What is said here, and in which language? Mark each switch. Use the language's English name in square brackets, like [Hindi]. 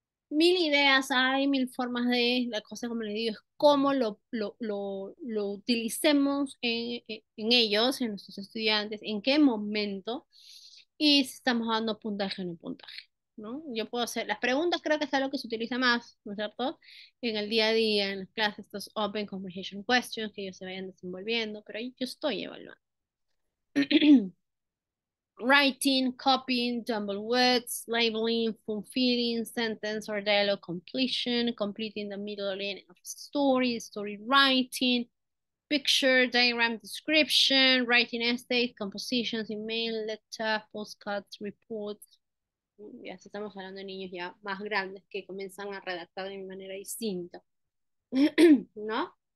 [Spanish] Mil ideas hay, mil formas de, la cosa, como le digo, es cómo lo utilicemos en ellos, en nuestros estudiantes, en qué momento, y si estamos dando puntaje o no puntaje. ¿No? Yo puedo hacer las preguntas, creo que es algo que se utiliza más, ¿no es cierto? En el día a día, en las clases, estos [English] open conversation questions [Spanish] que ellos se vayan desenvolviendo, pero ahí yo estoy evaluando. [English] Writing, copying, jumble words, labeling, fulfilling, sentence or dialogue completion, completing the middle and end of story, story writing, picture, diagram description, writing essays, compositions, email, letter, postcards, reports. [Spanish] Ya estamos hablando de niños ya más grandes que comienzan a redactar de manera distinta, ¿no?